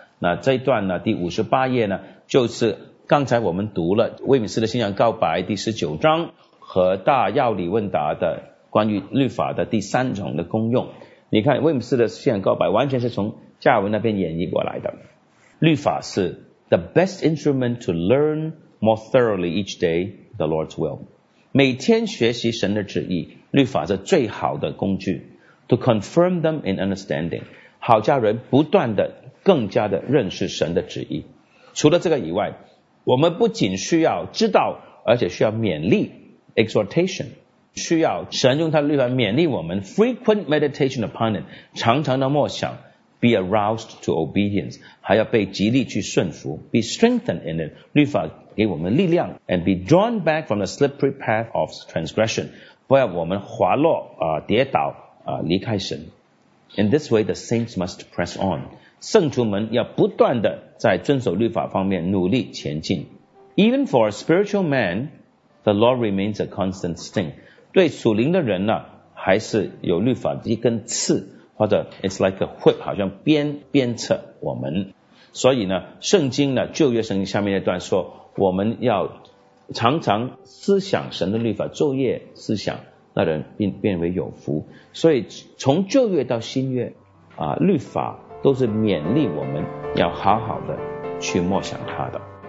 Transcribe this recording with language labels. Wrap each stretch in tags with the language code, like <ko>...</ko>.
<zh>那这一段呢，第58页呢，就是刚才我们读了威敏斯的信仰告白第19章和大要理问答的关于律法的第三种的功用。你看威姆斯的信仰告白完全是从加尔文那边演绎过来的。</zh> <en>律法是 the best instrument to learn more thoroughly each day the Lord's will.</en> <zh>每天学习神的旨意，律法是最好的工具 to confirm them in understanding，好叫人不断的更加的认识神的旨意。除了这个以外，我们不仅需要知道，而且需要勉励 exhortation， 需要神用他的律法勉励我们 frequent meditation upon it，常常的默想 be aroused to obedience，还要被极力去顺服 be strengthened in it，律法给我们力量 and be drawn back from the slippery path of transgression，不要我们滑落、跌倒、离开神。 In this way the saints must press on，圣徒们要不断地在遵守律法方面努力前进。</zh> <en>Even for a spiritual man the law remains a constant sting，对属灵的人呢，还是有律法一根刺，或者 it's like a whip，好像鞭策我们。</en> <zh>所以呢，圣经呢，旧约圣经下面那段说，我们要常常思想神的律法，昼夜思想，那人变为有福。所以从旧约到新约啊，律法都是勉励我们要好好的去默想它的。</zh>